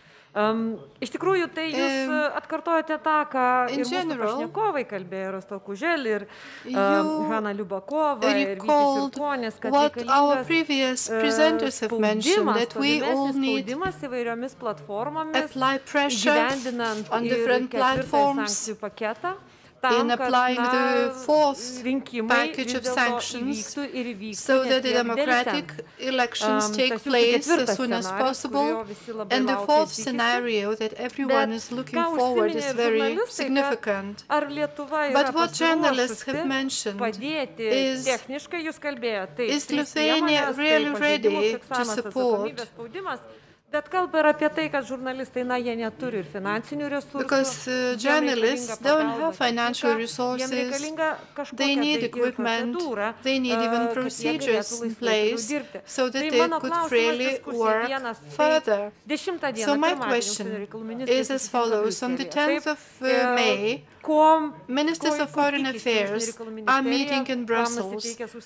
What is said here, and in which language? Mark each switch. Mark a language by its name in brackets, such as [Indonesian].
[Lithuanian] Iš tikrųjų, tai jūs atkartojate tą, ką ir general, mūsų pašnekovai kalbėjo, Rasťo Kužel ir Hanna Liubakova ir Vytis Sirtonis, kad reikalingas spaudimas, spaudimas įvairiomis platformomis, įgyvendinant ir ketvirtąjį sankcijų paketą. Tam, [English] in applying the fourth package of sanctions so that the democratic elections take place as soon as possible. And the fourth scenario that everyone is looking forward is very significant. But what journalists have mentioned is Lithuania really ready to support? [Lithuanian] Bet kalba yra apie tai, kad žurnalistai, na, jie neturi ir finansinių resursų. [English] Because journalists don't have financial resources, they need equipment, they need even procedures in place, so that they could freely work further. So my question is as follows. On the 10th of May, Ministers of Foreign Affairs are meeting in Brussels.